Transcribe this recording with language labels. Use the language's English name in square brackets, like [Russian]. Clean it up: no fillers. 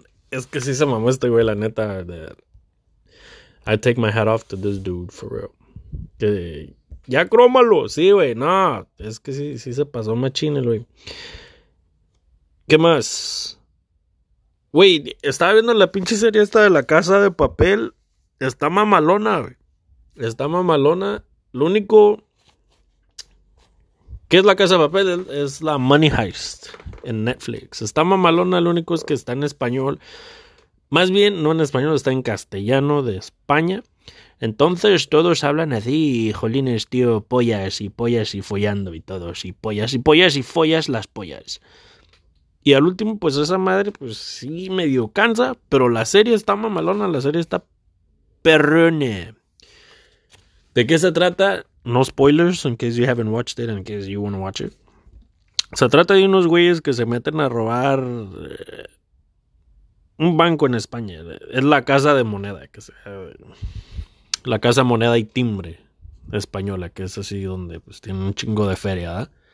[Spanish] Es que sí se mamó este güey, la neta. [English] I take my hat off to this dude, for real. [Spanish] Que, ya crómalo, sí, güey, no. Es que sí se pasó machín el güey. ¿Qué más? Güey, estaba viendo la pinche serie esta de La Casa de Papel. Está mamalona, güey. Está mamalona. Lo único que es La Casa de Papel es la Money Heist en Netflix. Está mamalona, lo único es que está en español. Más bien, no en español, está en castellano de España. Entonces todos hablan así, jolines, tío, pollas y follando y todos, y pollas y follas las pollas. Y al último, pues esa madre, pues sí, medio cansa, pero la serie está mamalona, la serie está perrone. ¿De qué se trata? [English] No spoilers, in case you haven't watched it, in case you want to watch it. [Spanish] Se trata de unos güeyes que se meten a robar un banco en España. Es la Casa de Moneda, que se... La Casa Moneda y Timbre española, que es así donde pues tienen un chingo de feria, ¿eh?